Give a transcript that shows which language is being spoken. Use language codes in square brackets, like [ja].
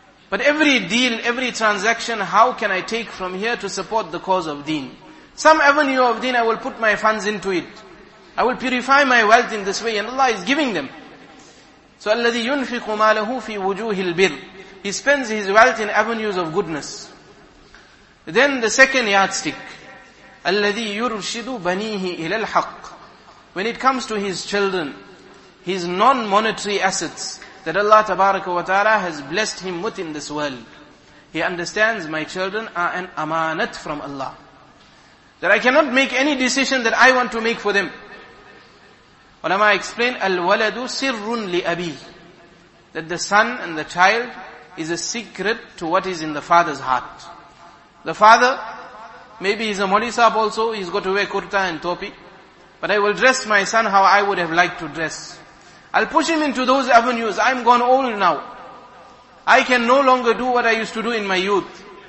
[en] But every deal, every transaction, how can I take from here to support the cause of deen? Some avenue of deen, I will put my funds into it. I will purify my wealth in this way, and Allah is giving them. [ar] So, الَّذِي يُنْفِقُ مَالَهُ فِي وُجُوهِ الْبِرِ. [en] He spends his wealth in avenues of goodness. Then the second yardstick, [ar] الَّذِي يُرْشِدُ بَنِيهِ إِلَى الْحَقِّ. [en] When it comes to his children, his non-monetary assets that Allah tabaraka wa ta'ala has blessed him with in this world, he understands my children are an amanat from Allah. That I cannot make any decision that I want to make for them. Ulama explain, [ar] الْوَلَدُ سِرٌ لِأَبِيهِ. [en] That the son and the child is a secret to what is in the father's heart. The father, maybe he's a modisab also, he's got to wear kurta and topi. But I will dress my son how I would have liked to dress. I'll push him into those avenues. I'm gone old now. I can no longer do what I used to do in my youth.